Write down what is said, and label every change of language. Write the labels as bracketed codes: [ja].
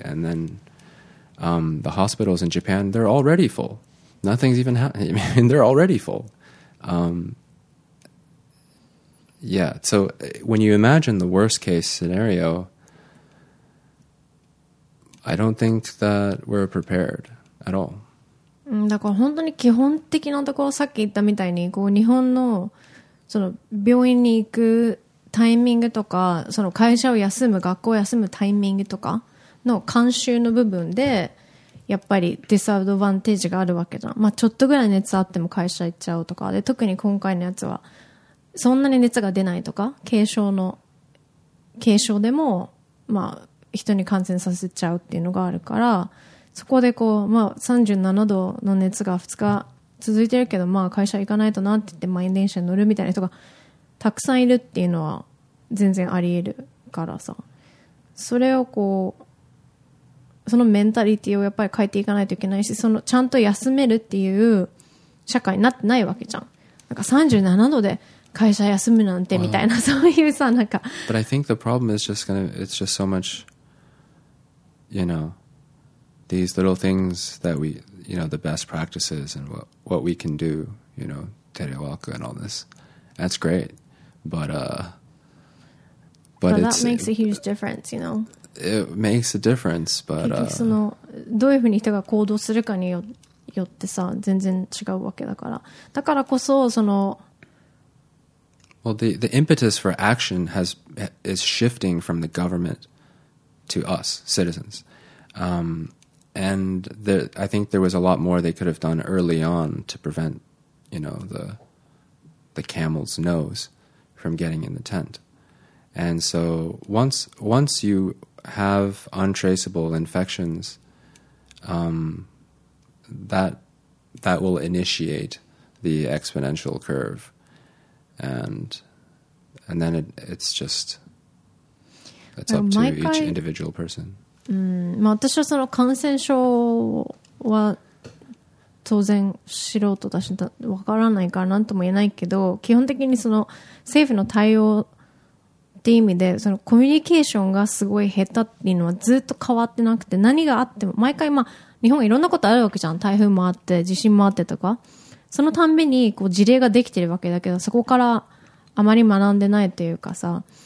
[en] And then the hospitals in Japan, they're already full. Nothing's even happening. I mean, they're already full. Yeah, so when you imagine the worst case scenario, I don't think that we're prepared at all. [ja] だから本当に基本的なところ、さっき言ったみたいにこう日本のその病院に行くタイミングとか、その会社を休む、学校を休むタイミングとかの慣習の部分でやっぱりディスアドバンテージがあるわけじゃん。まあちょっとぐらい熱あっても会社行っちゃうとかで、特に今回のやつはそんなに熱が出ないとか、軽症でもまあ人に感染させちゃうっていうのがあるから、そこでこうまあ37度の熱が2日続いてるけど、まあ会社行かないとなって言って満員電車に乗るみたいな人がたくさんいるっていうのは全然あり得るからさ、それをこうそのメンタリティをやっぱり変えていかないといけないし、そのちゃんと休めるっていう社会になってないわけじゃん。なんか37度で会社休むなんてみたいな、well, そういうさ、なんか。 [en] But I think the problem is just gonna, it's just so much, you know, these little things that we, you know, the best practices and what we can do, you know, terewaku and all this. That's great. But that makes a huge difference, you know. It makes a difference, but [ja] 結局そのどういうふうに人が行動するかによってさ、全然違うわけだから。だからこそその。 [en] Well, the impetus for action is shifting from the government to us, citizens. And there, I think there was a lot more they could have done early on to prevent, you know, the camel's nose from getting in the tent. And so once you have untraceable infections, that will initiate the exponential curve. And then it's just it's up to each individual person. [ja] まあ私はその感染症は当然素人だし、わからないから何とも言えないけど、基本的にその政府の対応ていう意味でそのコミュニケーションがすごい下手っていうのはずっと変わってなくて、何があっても毎回、まあ日本いろんなことあるわけじゃん、台風もあって地震もあってとか、そのたんびにこう事例ができてるわけだけど、そこからあまり学んでないっていうかさ、